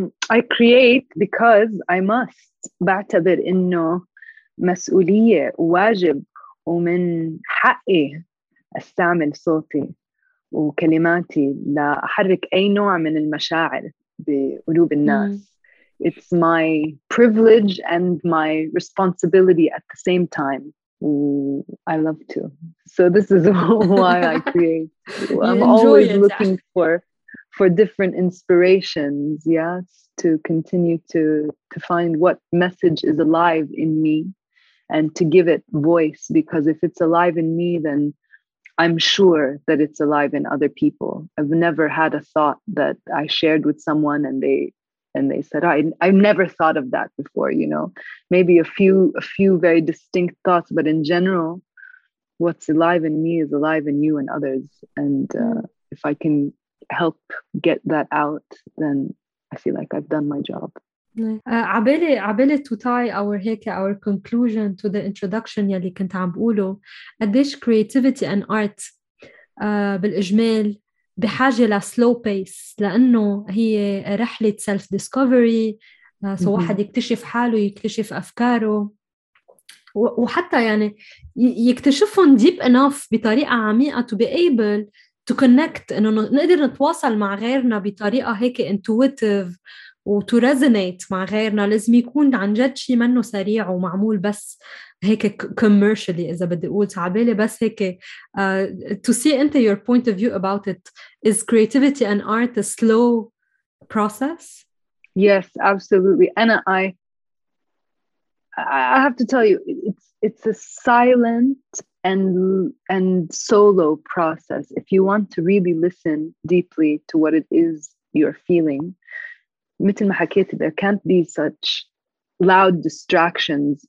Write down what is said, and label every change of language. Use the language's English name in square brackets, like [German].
[English] I create because I must. [Arabic] بعتبر إنه مسؤولية وواجب ومن حقي استعمل صوتي وكلماتي لأحرك أي نوع من المشاعر بقلوب الناس. [English] It's my privilege and my responsibility at the same time. I love to. So this is why I create. I'm always looking for different inspirations, yes, to continue to find what message is alive in me and to give it voice, because if it's alive in me, then I'm sure that it's alive in other people. I've never had a thought that I shared with someone and they said, I've never thought of that before, you know. Maybe a few very distinct thoughts, but in general, what's alive in me is alive in you and others. And if I can help get that out, then I feel like I've done my job. [Arabic] عبالي [English] to tie our conclusion to the introduction [Arabic] يلي كنت عم بقوله, قديش [English] creativity and art [Arabic] بالإجمال بحاجة ل [English] slow pace, [Arabic] لأنه هي رحلة [English] self discovery, [Arabic] سو واحد يكتشف حاله, يكتشف أفكاره, وحتى يعني يكتشفهم [English] deep enough [Arabic] بطريقة عميقة [English] to be able to connect, [Arabic] إنه نقدر نتواصل مع غيرنا بطريقة هيك intuitive و [English] to resonate [Arabic] مع غيرنا. لازم يكون عن جد شيء منه سريع ومعمول بس هيك commercially, إذا بدي أقول تعبالي بس هيك [English] to see [Arabic] أنت [English] your point of view about it. Is creativity and art a slow process? Yes, absolutely. And I have to tell you, it's a silent and solo process. If you want to really listen deeply to what it is you're feeling, [Arabic] مثل ما حكيت, [English] there can't be such loud distractions.